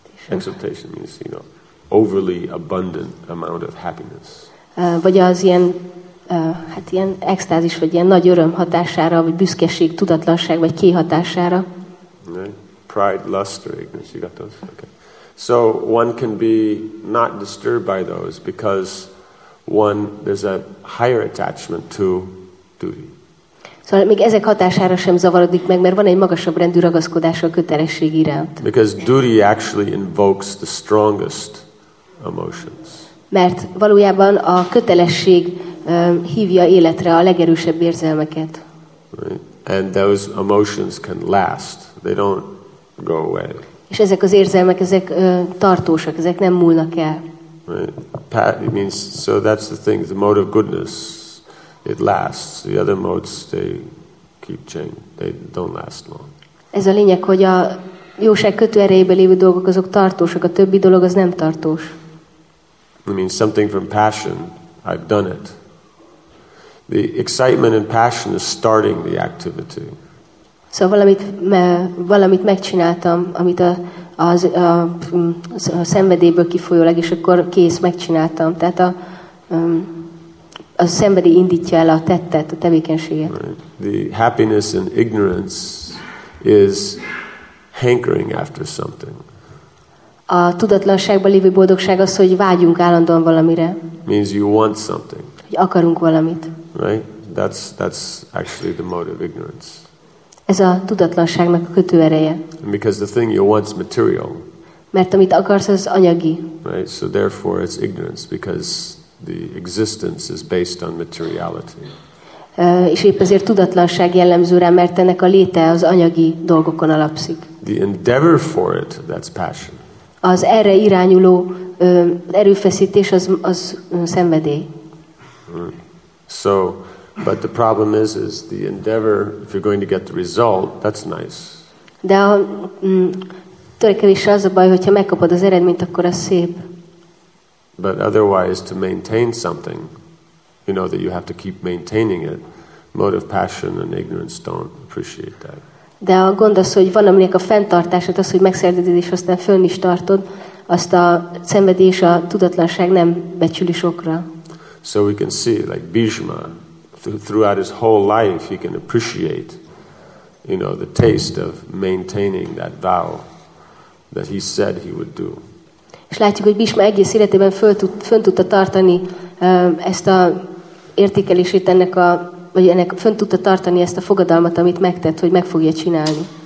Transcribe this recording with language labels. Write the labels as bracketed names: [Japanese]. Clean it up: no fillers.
[English] Exultation means, you know, overly abundant amount of happiness. [Hungarian] Vagy az ilyen, hát ilyen extázis, vagy ilyen nagy öröm hatására, vagy büszkeség, tudatlanság, vagy kihatására. [English] Pride, lust, or ignorance, you got those? Okay. So one can be not disturbed by those, because one, there's a higher attachment to duty. [Hungarian] Szóval még ezek hatására sem zavarodik meg, mert van egy magasabb rendű ragaszkodás a kötelesség iránt. [English] Because duty actually invokes the strongest emotions. [Hungarian] Mert valójában a kötelesség hívja életre a legerősebb érzelmeket. [English] Right. And those emotions can last. They don't go away. [Hungarian] És ezek az érzelmek, ezek tartósak, ezek nem múlnak el. [English] Right. It means, so that's the thing, the mode of goodness, it lasts. The other modes, they keep changing. They don't last long. [Hungarian] Ez a lényeg, hogy a jóság kötő erejében lévő dolgok, azok tartósak, a többi dolog az nem tartós. [English] I mean, something from passion, I've done it. The excitement and passion is starting the activity. [Hungarian] Szóval valamit megcsináltam, amit a szenvedélyből kifolyólag, és akkor kész, megcsináltam. Tehát a szenvedély indítja el a tettet, a tevékenységet. [English] Right. The happiness and ignorance is hankering after something. [Hungarian] A tudatlanságban lévő boldogság az, hogy vágyunk állandóan valamire. [English] Means you want something. [Hungarian] Hogy akarunk valamit. [English] Right? That's actually the mode of ignorance. [Hungarian] Ez a tudatlanságnak a kötőereje. [English] Because the thing you want is material. [Hungarian] Mert amit akarsz, az anyagi. [English] Right? So therefore it's ignorance because the existence is based on materiality. [Hungarian] És épp ezért tudatlanság jellemző rá, mert ennek a léte az anyagi dolgokon alapszik. [English] The endeavor for it, that's passion. [Hungarian] Az erre irányuló erőfeszítés az szenvedély. [English] So, but the problem is the endeavor, if you're going to get the result, that's nice. [Hungarian] De a törekvés az a baj, hogyha megkapod az eredményt, akkor az szép. [English] But otherwise, to maintain something, you know that you have to keep maintaining it, mode of passion and ignorance don't appreciate that. [Hungarian] De a gond az, hogy van aminek a fenntartását, az, hogy megszerzed és aztán fönn is tartod, azt a szenvedély és a tudatlanság nem becsüli sokra. [English] So we can see, like Bhishma, throughout his whole life, he can appreciate, you know, the taste of maintaining that vow that he said he would do. [Hungarian] És látjuk, hogy Bhishma egész életében fönn tudta tartani ezt a értékelését ennek a vagy ennek fönn tudta tartani ezt a fogadalmat, amit megtett, hogy meg fogja csinálni.